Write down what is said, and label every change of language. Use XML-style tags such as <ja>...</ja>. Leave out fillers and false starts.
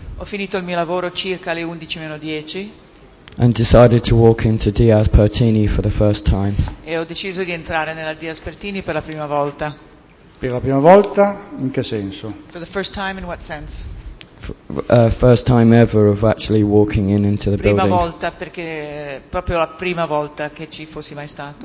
<it>Ho finito il mio lavoro circa alle 11 meno 10.</it> <en>And decided to walk into Diaz Pertini for the first time.</en> <it>E ho deciso di entrare nella Diaz Pertini per la prima volta. Per la prima volta? In che senso?</it> <en>For the first time in what sense? First time ever of actually walking in into the</en> <it>prima</it> <en>building.</en> <it>Prima volta, perché proprio la prima volta che ci fossi mai stato.</it>